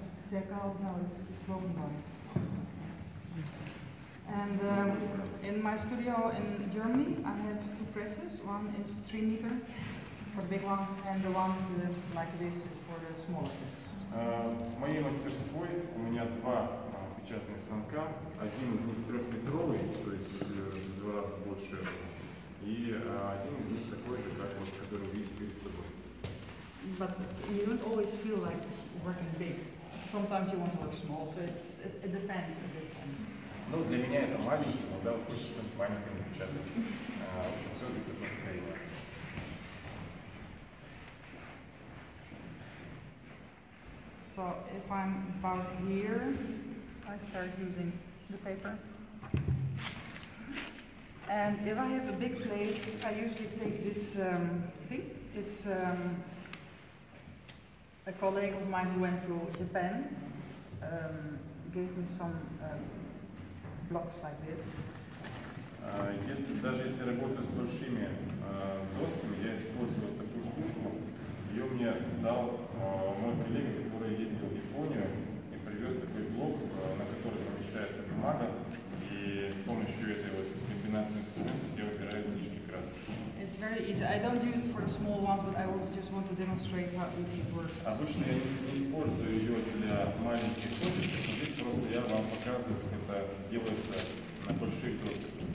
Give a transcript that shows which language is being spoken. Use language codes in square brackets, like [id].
[en] зеркало white. It's golden white. And in my studio in Germany, I have two presses. One is 3 meter for the big ones, and the one is like this is for the smaller prints. [ru] В моей мастерской у меня два печатных станка. Один из них трехметровый, то есть в два раза больше, и один из них такой же, как вот, который вы видите перед собой. [en] But you don't always feel like working big. Sometimes you want to work small, so it depends a bit. [ru] Ну, для меня это маленький, но да, хочешь там маленький напечатать. В общем, все зависит от настроения. [en] It's So if I'm about here, I start using the paper. And if I have a big plate, I usually take this thing. It's a colleague of mine who went to Japan gave me some blocks like this. [ru] Если даже если работаю с большими досками, я использую вот такую штучку. Ее мне дал мой коллега, который ездил в Японию и привез такой блок, на который помещается бумага, и с помощью этой вот комбинации инструментов я выбираю нижние краски. [en] It's very easy. I don't use it for small ones, but I just want to demonstrate how easy it works. [ru] Обычно я не использую ее для маленьких досок, но здесь просто я вам показываю, как это делается на больших досках.